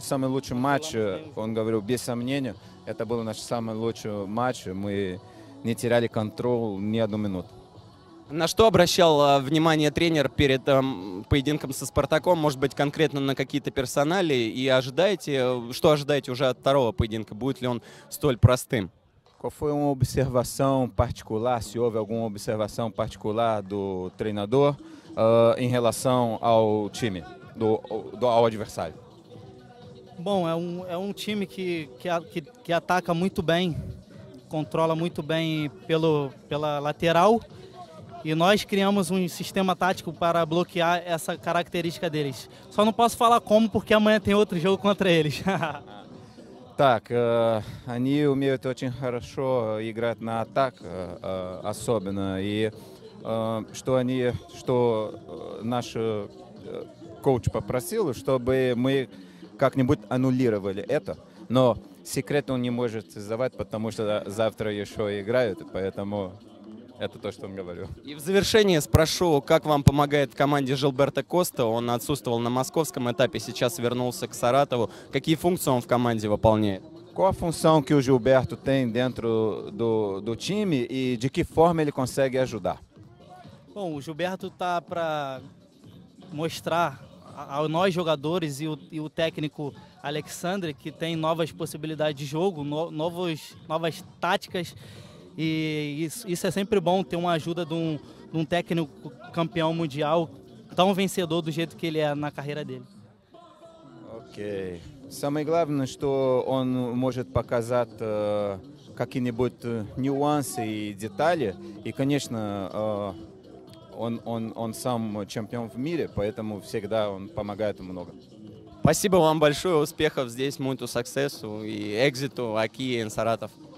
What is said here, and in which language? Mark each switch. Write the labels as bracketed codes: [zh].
[ru] Самый лучший матч, он говорил, без сомнения, это был наш самый лучший матч. Мы не теряли контроль ни одну минуту. На что обращал внимание тренер перед поединком со «Спартаком»? Может быть, конкретно на какие-то персонали? И ожидаете, что ожидаете уже от второго поединка? Будет ли он столь простым? [pt] Qual foi uma observação particular, se houve alguma observação particular do treinador em relação ao time, ao adversário? Bom, é um time que ataca muito bem, controla muito bem pela lateral. E nós criamos um sistema tático para bloquear essa característica deles. Só não posso falar como, porque amanhã tem outro jogo contra eles. [ru] Так, они умеют очень хорошо играть на атаку, особенно. И что наш коуч попросил, чтобы мы как-нибудь аннулировали это. Но секрет он не может создавать, потому что завтра еще играют, поэтому... Это то, что он говорил. И в завершение спрошу, как вам помогает в команде Жилберто Коста? Он отсутствовал на московском этапе, сейчас вернулся к Саратову. Какие функции он в команде выполняет? [pt] Qual a função que o Gilberto tem dentro do time e de que forma ele consegue ajudar? Bom, o Gilberto tá para mostrar aos nós jogadores e o técnico Alexandre que tem novas possibilidades de jogo, novas táticas. E isso é sempre bom, ter uma ajuda de um técnico campeão mundial, tão vencedor do jeito que ele é na carreira dele. Ok. [ru] Самое главное, что он может показать какие-нибудь нюансы и детали. И, конечно, он сам чемпион в мире, поэтому всегда он помогает много. Спасибо вам большое, успехов здесь, [pt] muito sucesso [ru] и [pt] exito aqui em [ru] Саратов.